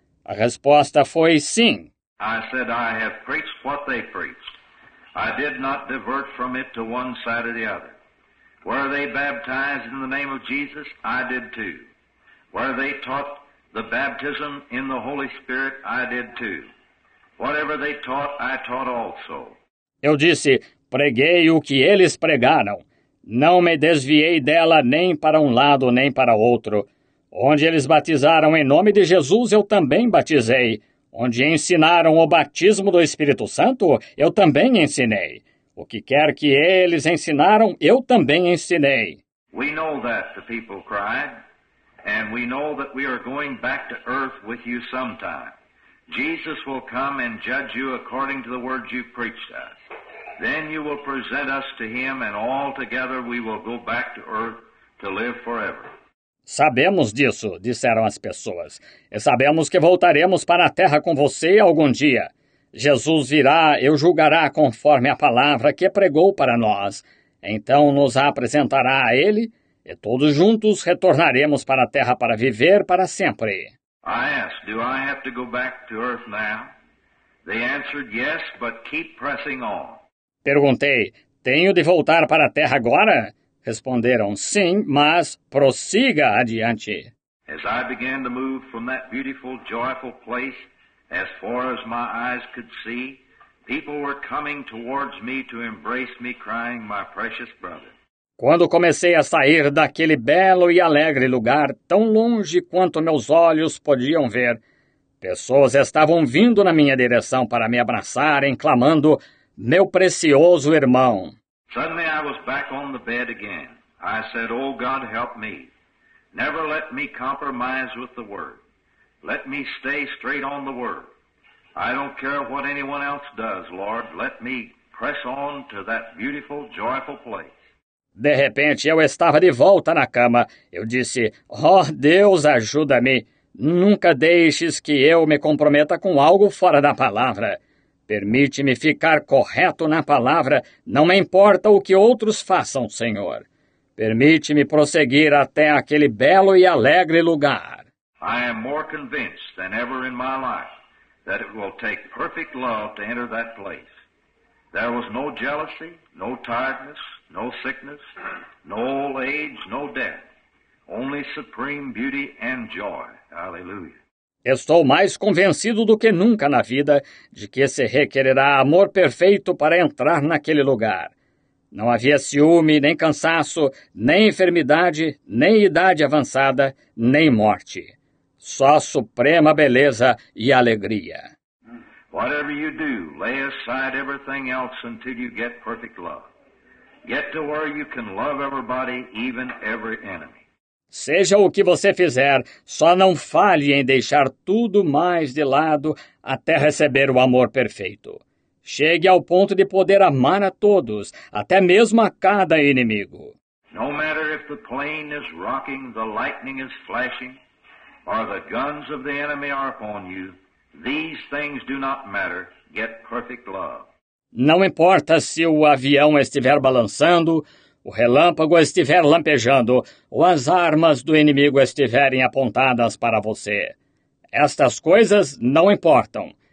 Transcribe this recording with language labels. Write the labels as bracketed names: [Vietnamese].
[Portuguese] A resposta foi sim. [English] I said, I have preached what they preached. I did not divert from it to one side or the other. Were they baptized in the name of Jesus? I did too. Were they taught the baptism in the Holy Spirit? I did too. Whatever they taught, I taught also. [Portuguese] Eu disse, preguei o que eles pregaram. Não me desviei dela nem para um lado nem para outro. Onde eles batizaram em nome de Jesus, eu também batizei. Onde ensinaram o batismo do Espírito Santo, eu também ensinei. O que quer que eles ensinaram, eu também ensinei. [English] We know that, the people cried, and we know that we are going back to earth with you sometime. Jesus will come and judge you according to the words you preached us. Then you will present us to him, and all together we will go back to earth to live forever. [Portuguese] Sabemos disso, disseram as pessoas, e sabemos que voltaremos para a terra com você algum dia. Jesus virá e o julgará conforme a palavra que pregou para nós. Então nos apresentará a ele, e todos juntos retornaremos para a terra para viver para sempre. [English] I asked, do I have to go back to earth now? They answered, yes, but keep pressing on. [Portuguese] Perguntei, tenho de voltar para a terra agora? Responderam, sim, mas prossiga adiante. [English] As I began to move from that beautiful, joyful place, as far as my eyes could see, people were coming towards me to embrace me, crying, my precious brother. [Portuguese] Quando comecei a sair daquele belo e alegre lugar, tão longe quanto meus olhos podiam ver, pessoas estavam vindo na minha direção para me abraçarem, clamando, meu precioso irmão. [English] Suddenly I was back on the bed again. I said, oh God, help me. Never let me compromise with the word. Let me stay straight on the word. I don't care what anyone else does, Lord. Let me press on to that beautiful, joyful place. [Portuguese] De repente, eu estava de volta na cama. Eu disse, oh Deus, ajuda-me. Nunca deixes que eu me comprometa com algo fora da palavra. Permite-me ficar correto na palavra, não me importa o que outros façam, Senhor. Permite-me prosseguir até aquele belo e alegre lugar. [English] I am more convinced than ever in my life that it will take perfect love to enter that place. There was no jealousy, no tiredness, no sickness, no old age, no death. Only supreme beauty and joy. Hallelujah. [Portuguese] Estou mais convencido do que nunca na vida de que se requererá amor perfeito para entrar naquele lugar. Não havia ciúme, nem cansaço, nem enfermidade, nem idade avançada, nem morte. Só suprema beleza e alegria. [English] Whatever you do, lay aside everything else until you get perfect love. Get to where you can love everybody, even every enemy. [Portuguese] Seja o que você fizer, só não falhe em deixar tudo mais de lado até receber o amor perfeito. Chegue ao ponto de poder amar a todos, até mesmo a cada inimigo. [English] No matter if the plane is rocking, the lightning is flashing, or the guns of the enemy are upon you, these things do not matter. Get perfect love. [Portuguese] Não importa se o avião estiver balançando, o relâmpago estiver lampejando ou as armas do inimigo estiverem apontadas para você. Estas coisas não importam.